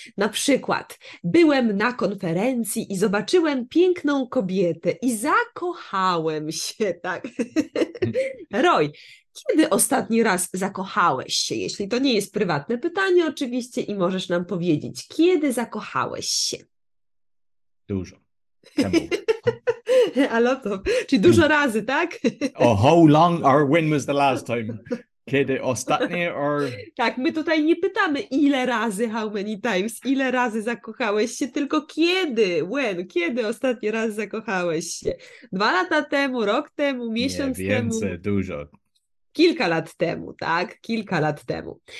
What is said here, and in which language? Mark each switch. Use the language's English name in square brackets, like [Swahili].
[Polish] Na przykład, byłem na konferencji i zobaczyłem piękną kobietę i zakochałem się, tak? Roy, kiedy ostatni raz zakochałeś się? Jeśli to nie jest prywatne pytanie oczywiście i możesz nam powiedzieć, kiedy zakochałeś się? Dużo. A lotto, czyli dużo razy, tak? [English] Oh, how long or when was the last time? [Polish] Kiedy ostatnie, or... Tak, my tutaj nie pytamy ile razy, [English] how many times, [Polish] ile razy zakochałeś się, tylko kiedy, when, kiedy ostatni raz zakochałeś się? 2 lata temu, rok temu, miesiąc nie, więcej, temu? Dużo. Kilka lat temu, tak? Kilka lat temu.